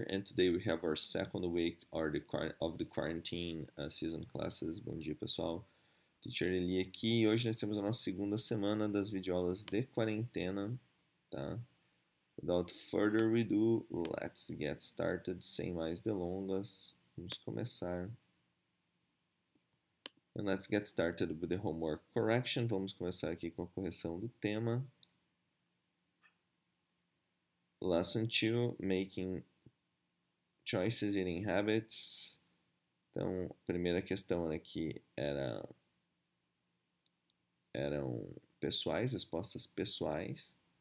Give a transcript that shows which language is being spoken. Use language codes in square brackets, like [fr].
[en] And today we have our second week of the quarantine season classes. [pt] Bom dia, pessoal. Teacher Eli aqui. E hoje nós temos a nossa segunda semana das videoaulas de quarentena, tá? [en] Without further ado, let's get started. [pt] Sem mais delongas, vamos começar. [en] And let's get started with the homework correction. [pt] Vamos começar aqui com a correção do tema. [en] Lesson 2, making choices, eating habits. [pt] Então, a primeira questão aqui eram pessoais, respostas pessoais.